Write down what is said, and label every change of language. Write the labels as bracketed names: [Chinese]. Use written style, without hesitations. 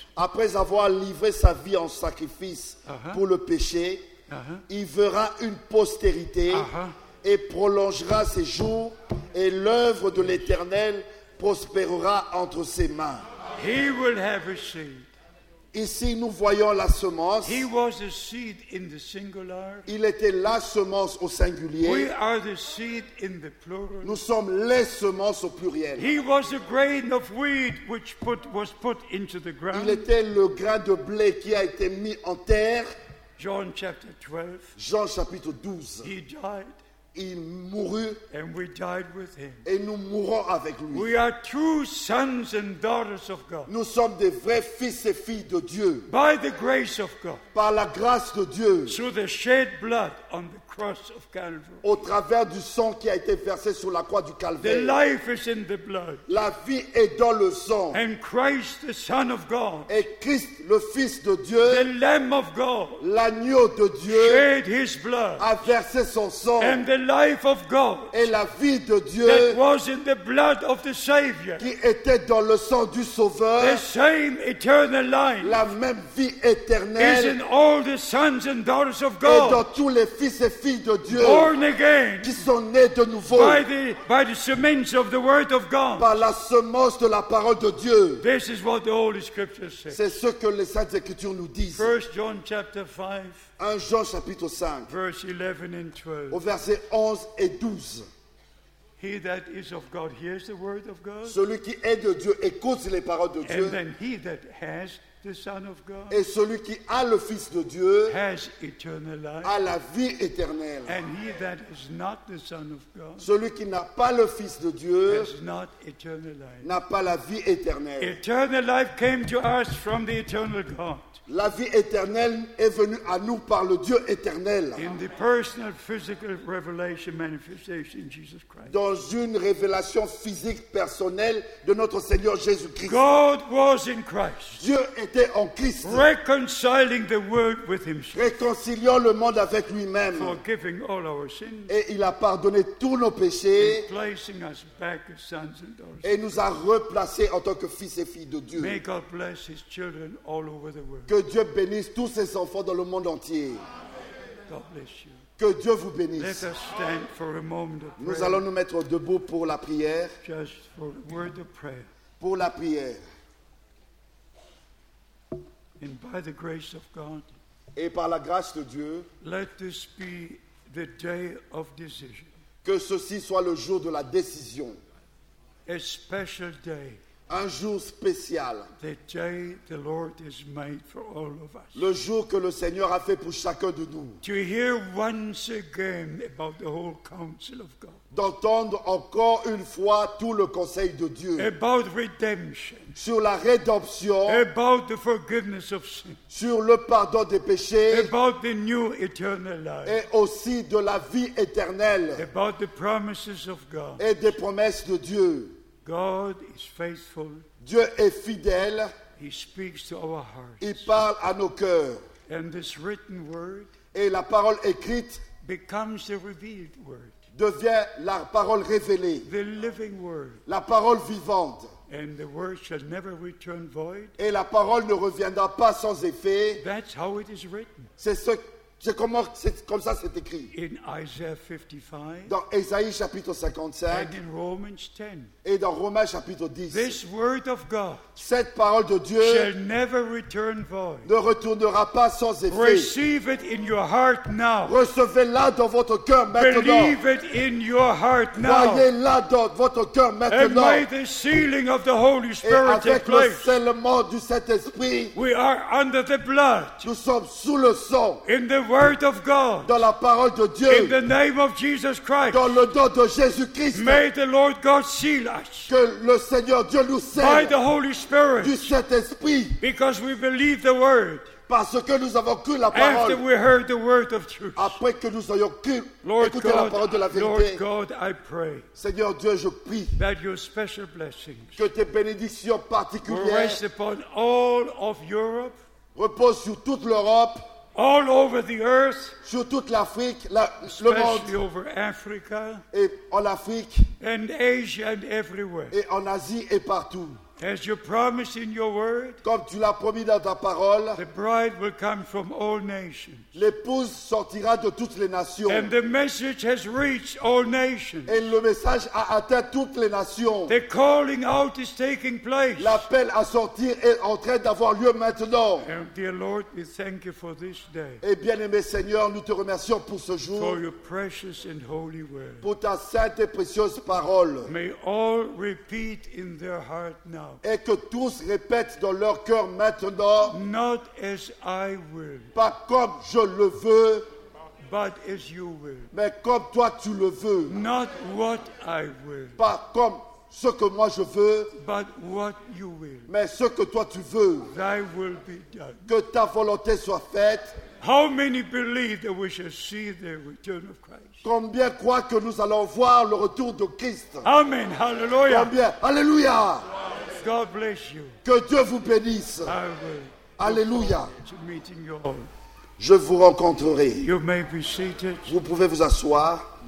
[French] Après avoir livré sa vie en sacrifice uh-huh. pour le péché. Uh-huh. Il verra une postérité uh-huh. et prolongera ses jours et l'œuvre de l'Éternel prospérera entre ses mains. [English] He will have a seed. [French] Ici, nous voyons la semence. [English] He was a seed in the singular. [French] Il était la semence au singulier. [English] We are the seed in the plural. [French] Nous sommes les semences au pluriel. [English] He was a grain of wheat which was put into the ground. [French] Il était le grain de blé qui a été mis en terre. [English] John chapter 12. [French] Jean chapitre 12. [English] He died. [French] Il mourut. [English] And we died with him. [French] Et nous mourons avec lui. [English] We are true sons and daughters of God. [French] Nous sommes des vrais fils et filles de Dieu. [English] By the grace of God. [French] Par la grâce de Dieu. [English] Through the shed blood on the cross. cross of Calvary. [French] Au travers du sang qui a été versé sur la croix du calvaire. [English] The life is in the blood. [French] La vie est dans le sang. [English] And Christ, the Son of God. [French] Et Christ, le Fils de Dieu. [English] The Lamb of God. [French] L'agneau de Dieu. [English] Shed his blood. [French] A versé son sang. [English] And the life of God. [French] Et la vie de Dieu. [English] That was in the blood of the Savior. [French] Qui était dans le sang du Sauveur. [English] The same eternal life. [French] La même vie éternelle. [English] Is in all the sons and daughters of God. [French] Et dans tous les fils et filles de Dieu. [English] Born again. [French] Qui sont nés de nouveau. [English] By the semence of the word of God. [French] Par la semence de la parole de Dieu. [English] This is what the Holy Scriptures say. [French] C'est ce que les Saintes Écritures nous disent. [English] 1 John chapter 5. [French] 1 Jean chapitre 5. [English] Verse 11 and 12. [French] Au verset 11 et 12. [English] He that is of God hears the word of God. [French] Celui qui est de Dieu écoute les paroles de Dieu. [English] And then he that has the Son of God. [French] Et celui qui a le Fils de Dieu [English] has eternal life. [French] A la vie éternelle. [English] And he that is not the Son of God. [French] Celui qui n'a pas le Fils de Dieu [English] has not eternal life. [French] N'a pas la vie éternelle. [English] Eternal life came to us from the eternal God. [French] La vie éternelle est venue à nous par le Dieu éternel. [English] In the personal physical revelation manifestation Jesus Christ. [French] Dans une révélation physique personnelle de notre Seigneur Jésus-Christ. [English] God was in Christ. [French] Dieu était en Christ. [English] Reconciling the world with himself. [French] Réconciliant le monde avec lui-même. [English] Forgiving all our sins. [French] Et il a pardonné tous nos péchés. [English] And placing us back as sons and daughters. [French] Et nous a replacés en tant que fils et filles de Dieu. [English] May God bless his children all over the world. [French] Que Dieu bénisse tous ses enfants dans le monde entier. [English] God bless you. [French] Que Dieu vous bénisse. [English] Let us stand for a moment of prayer. [French] Nous allons nous mettre debout pour la prière. [English] Just for a word of prayer. [French] Pour la prière. [English] And by the grace of God, [French] et par la grâce de Dieu, [English] let this be the day of decision. [French] Que ceci soit le jour de la décision. [English] A special day. [French] Un jour spécial. [English] The day the Lord has made for all of us. [French] Le jour que le Seigneur a fait pour chacun de nous. [English] To hear once again about the whole counsel of God. [French] D'entendre encore une fois tout le conseil de Dieu. [English] About redemption. [French] Sur la rédemption. [English] About the forgiveness of sins. [French] Sur le pardon des péchés. [English] About the new eternal life. [French] Et aussi de la vie éternelle. [English] About the promises of God. [French] Et des promesses de Dieu. [English] God is faithful. [French] Dieu est fidèle. [English] He speaks to our hearts. [French] Il parle à nos cœurs. [English] And this written word [French] et la parole écrite [English] becomes the revealed word. [French] Devient la parole révélée. [English] The living word. [French] La parole vivante. [English] And the word shall never return void. [French] Et la parole ne reviendra pas sans effet. [English] That's how it is written. [French] C'est comme ça c'est écrit. [English] In Isaiah 55, [French] dans Ésaïe chapitre 55 [English] and in Romans 10, [French] et dans Romains chapitre 10. [English] This word of God, [French] cette parole de Dieu [English] shall never return void. [French] Ne retournera pas sans effet. [English] Receive it in your heart now. [French] Recevez-la dans votre cœur maintenant. [English] Believe it in your heart now. [French] Croyez-la dans votre cœur maintenant. [English] And by the sealing of the Holy Spirit [French] et avec le scellement du Saint-Esprit, [English] we are under the blood. [French] Nous sommes sous le sang. [English] In the word of God. [French] Dans la parole de Dieu. [English] In the name of Jesus Christ. [French] Dans le nom de Jésus Christ. [English] May the Lord God seal us. [French] Que le Seigneur Dieu nous scelle. [English] By the Holy Spirit. [French] Du Saint-Esprit. [English] Because we believe the word. [French] Parce que nous avons cru la parole. [English] After we heard the word of truth. [French] Après que nous ayons cru écouter la parole de la vérité. [English] Lord God, I pray. [French] Seigneur Dieu, je prie. [English] That your special blessings. [French] Que tes bénédictions particulières. [English] Rest upon all of Europe. [French] Repose sur toute l'Europe. [English] All over the earth, [French] sur toute l'Afrique, le monde, [English] over Africa, [French] et en Afrique, [English] and Asia and everywhere, [French] et en Asie et partout. [English] As you promised in your word, [French] comme tu l'as promis dans ta parole, [English] the bride will come from all nations. [French] L'épouse sortira de toutes les nations. [English] And the message has reached all nations. [French] Et le message a atteint toutes les nations. [English] The calling out is taking place. [French] L'appel à sortir est en train d'avoir lieu maintenant. [English] And dear Lord, we thank you for this day. [French] Et bien-aimé Seigneur, nous te remercions pour ce jour. [English] For your precious and holy word. [French] Pour ta sainte et précieuse parole. [English] May all repeat in their heart now. [French] Et que tous répètent dans leur cœur maintenant, [English] not as I will, [French] pas comme je le veux, [English] but as you will, [French] mais comme toi tu le veux, [English] not what I will, [French] pas comme ce que moi je veux, [English] but what you will. [French] Mais ce que toi tu veux, [English] thy will be done. [French] Que ta volonté soit faite. [English] How many believe that we shall see the return of Christ? [French] Combien croient que nous allons voir le retour de Christ? [English] Amen. Hallelujah. [French] Combien? Alléluia. [English] God bless you. [French] Que Dieu vous bénisse. [English] I will. [French] Alléluia. [English] To meeting you all. [French] Je vous rencontrerai. [English] You may be seated. [French] Vous pouvez vous asseoir.